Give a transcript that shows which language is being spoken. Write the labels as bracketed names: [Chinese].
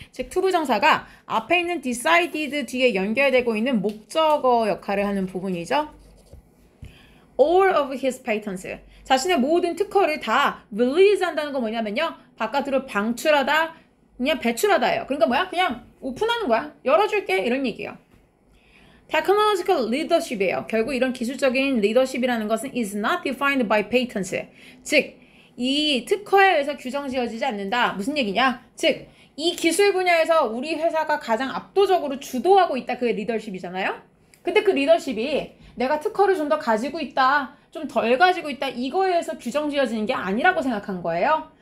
[Korean] 즉 to 부정사가 앞에 있는 decided 뒤에 연결되고 있는 목적어 역할을 하는 부분이죠. [English] All of his patents. [Korean] 자신의 모든 특허를 다 release 한다는 건 뭐냐면요. 바깥으로 방출하다, 그냥 배출하다예요. 그러니까 뭐야? 그냥 오픈하는 거야. 열어줄게. 이런 얘기예요. [English] Technological leadership [Korean] 이에요. 결국 이런 기술적인 [English] leadership [Korean] 이라는 것은 [English] is not defined by patents. [Korean] 즉, 이 특허에 의해서 규정 지어지지 않는다. 무슨 얘기냐? 즉, 이 기술 분야에서 우리 회사가 가장 압도적으로 주도하고 있다. 그게 리더십이잖아요. 근데 그 리더십이 내가 특허를 좀 더 가지고 있다, 좀 덜 가지고 있다, 이거에 의해서 규정 지어지는 게 아니라고 생각한 거예요.